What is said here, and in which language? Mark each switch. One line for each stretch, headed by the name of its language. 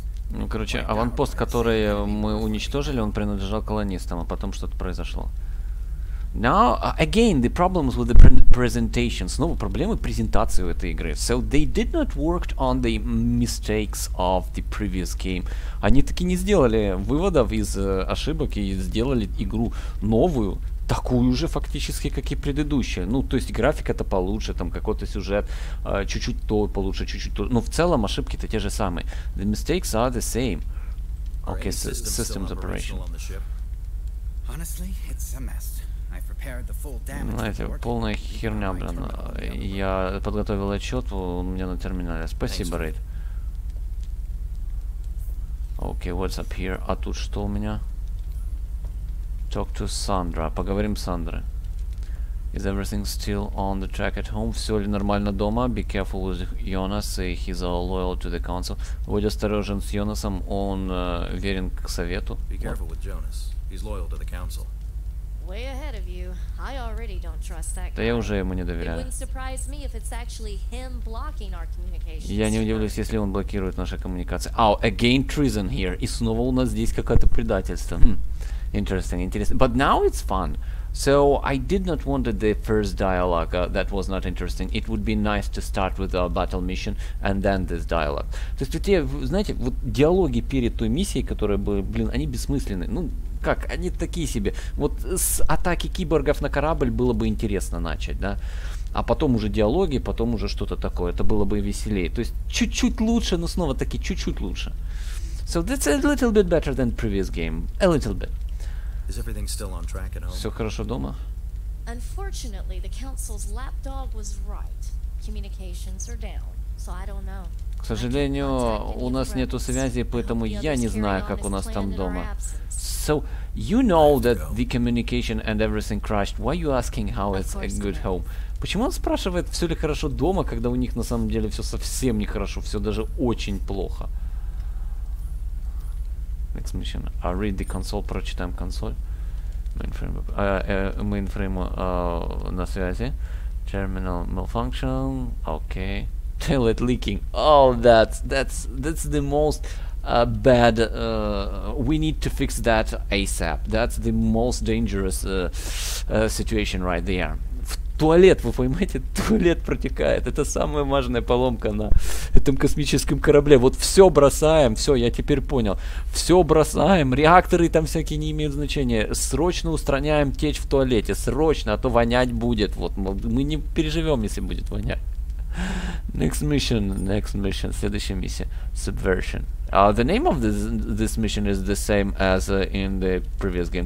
Russian: Ну, короче, аванпост, который мы уничтожили, он принадлежал колонистам, а потом что-то произошло.
English: Now, again, the problems with the presentation.
Russian: Снова проблемы презентации в этой игре.
English: So, they did not work on the mistakes of the previous game.
Russian: Они таки не сделали выводов из ошибок и сделали игру новую. Такую же фактически, как и предыдущая. Ну, то есть графика-то получше, там какой-то сюжет, чуть-чуть то получше, чуть-чуть то. Но в целом ошибки-то те же самые.
English: The mistakes are the same. Okay, systems operation. Honestly, it's a mess. I prepared the full damage.
Russian: Знаете, полная херня, блин. Я подготовил отчет, он у меня на терминале. Спасибо, Рейд.
English: Okay, what's up here?
Russian: А тут что у меня?
English: Talk to Sandra.
Russian: Поговорим с Сандрой.
English: Is everything still on the track at home?
Russian: Все ли нормально дома?
English: Be careful with Jonas. He's all loyal to the council.
Russian: Будь осторожен с Йонасом. Он верен к совету.
English: Be careful with Jonas. He's loyal to the council. Way ahead of you. I already don't trust that guy.
Russian: Да я уже ему не доверяю.
English: It wouldn't surprise me if it's actually him blocking our communications.
Russian: Я не удивлюсь, если он блокирует наши коммуникации.
English: Oh, again treason here.
Russian: И снова у нас здесь какое-то предательство.
English: Interesting, interesting. But now it's fun. So I did not want the first dialogue that was not interesting. It would be nice to start with a battle mission and then this dialogue.
Russian: То есть, вы знаете, вот диалоги перед той миссией, которые были, блин, они бессмысленны. Ну, как, они такие себе. Вот с атаки киборгов на корабль было бы интересно начать, да? А потом уже диалоги, потом уже что-то такое. Это было бы веселее. То есть, чуть-чуть лучше, но снова-таки чуть-чуть лучше.
English: So that's a little bit better than previous game. A little bit. Is everything still on track at home?
Russian: Все хорошо дома?
English: Unfortunately, the council's lapdog was right. Communications are down, so I don't know.
Russian: К сожалению, у нас нету связи, поэтому я не знаю, как у нас там дома.
English: So, you know that the communication and everything crashed. Why are you asking how it's a good home?
Russian: Почему он спрашивает, все ли хорошо дома, когда у них на самом деле все совсем не хорошо, все даже очень плохо?
English: Next mission. I read the console.
Russian: Прочитаем консоль.
English: Mainframe
Russian: на связи.
English: Terminal malfunction. Okay. Toilet leaking. Oh, that's the most bad. We need to fix that ASAP. That's the most dangerous situation right there.
Russian: В туалет, вы понимаете, туалет протекает. Это самая важная поломка на этом космическом корабле. Вот все бросаем, все, я теперь понял. Все бросаем, реакторы там всякие не имеют значения. Срочно устраняем течь в туалете, срочно, а то вонять будет. Вот мы не переживем, если будет вонять.
English: Next mission,
Russian: следующая миссия.
English: Subversion. The name of this mission is the same as in the previous game.